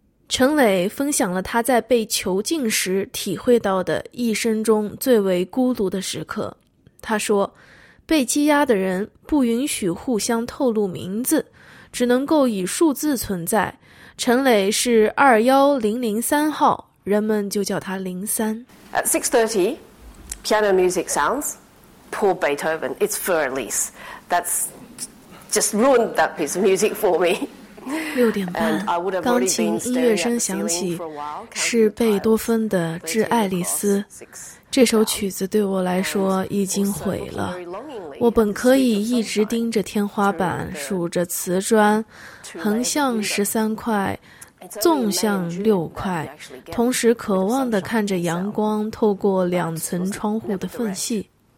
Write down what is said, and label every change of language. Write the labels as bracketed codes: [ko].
[zh] 陈磊分享了他在被囚禁时体会到的一生中最为孤独的时刻。他说，被羁押的人不允许互相透露名字，只能够以数字存在。陈磊是21003号，人们就叫他03。 [en] At 6:30 piano music sounds, poor Beethoven, it's for Elise, that's just ruined that piece of music for me. [zh] 6:30钢琴音乐声响起，是贝多芬的致爱丽丝，这首曲子对我来说已经毁了。我本可以一直盯着天花板，数着瓷砖，横向13块，纵向6块，同时渴望地看着阳光透过2层窗户的缝隙。